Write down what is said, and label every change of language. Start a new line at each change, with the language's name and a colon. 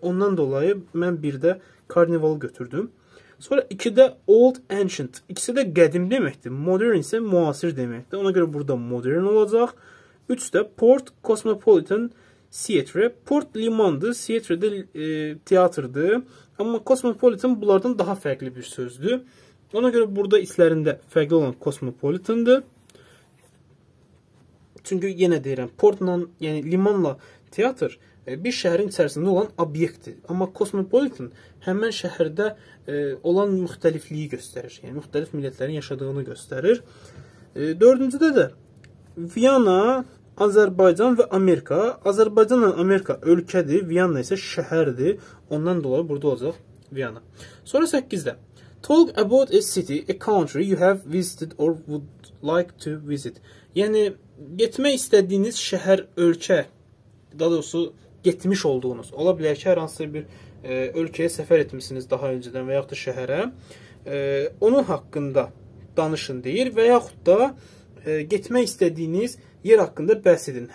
Azerbaijani: Ondan dolayı mən bir də karnival götürdüm. Sonra 2-də
English: old ancient.
Azerbaijani: İkisi də qədim deməkdir. Modern isə müasir deməkdir. Ona görə burada modern olacaq. 3-də
English: port cosmopolitan theatre.
Azerbaijani: Port limandır, theatre də teatrdır. Amma cosmopolitan bunlardan daha fərqli bir sözdür. Ona görə burada islərində fərqli olan cosmopolitan-dır. Çünki yenə deyirəm, portla, yəni limanla teatr bir şəhərin içərisində olan obyektdir. Amma cosmopolitan həmin şəhərdə olan müxtəlifliyi göstərir. Yəni müxtəlif millətlərin yaşadığını göstərir. Dördüncüdə də Viyana, Azərbaycan və Amerika. Azərbaycan və Amerika ölkədir, Viyana isə şəhərdir. Ondan dolayı burada olacaq Viyana. Sonra 8-də.
English: Talk about a city, a country you have visited or would like to visit.
Azerbaijani: Yəni, getmək istədiyiniz şəhər, ölkə, daha doğrusu getmiş olduğunuz, ola bilər ki, hər hansı bir ölkəyə səfər etmişsiniz daha öncədən və yaxud da şəhərə, onun haqqında danışın, deyir, və yaxud da getmək istədiyiniz yer haqqında bəhs edin.